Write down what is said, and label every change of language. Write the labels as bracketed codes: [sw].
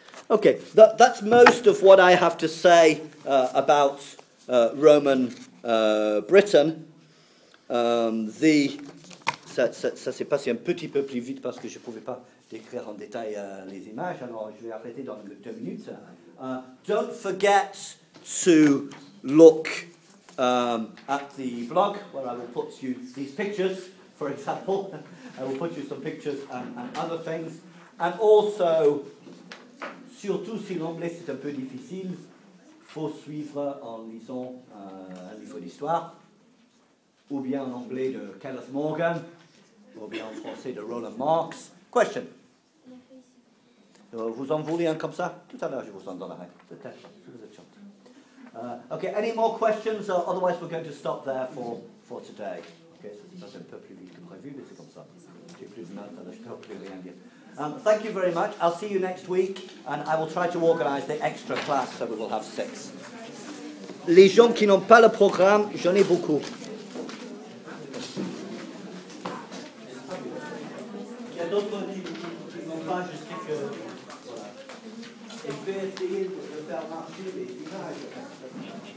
[en] Okay, that's most of what I have to say about Roman Britain. [fr] Ça s'est passé un petit peu plus vite parce que je ne pouvais pas décrire en détail les images. Alors, je vais arrêter dans 2 minutes. [en] Don't forget to look at the blog where I will put you these pictures for example. I will put you some pictures and other things. And also, [fr] surtout si l'anglais c'est un peu difficile, faut suivre en lisant un livre d'histoire, ou bien en anglais de Kenneth Morgan, ou bien en français de Roland Marks. Question. Vous en voulez un comme ça? Tout à l'heure, je vous en donnerai. Peut-être, si vous êtes chanteur. [en] Okay, any more questions? Otherwise, we're going to stop there for today. [fr] Okay, ça s'est passé un peu plus vite que prévu, mais c'est comme ça. J'ai plus de mal, je ne peux plus rien dire. [en] Thank you very much. I'll see you next week, and I will try to organize the extra class, so we will have 6. [fr] Les gens qui n'ont pas le programme, j'en ai beaucoup. Il y a d'autres qui n'ont pas jusqu'à que... Et je vais essayer de faire marcher les images.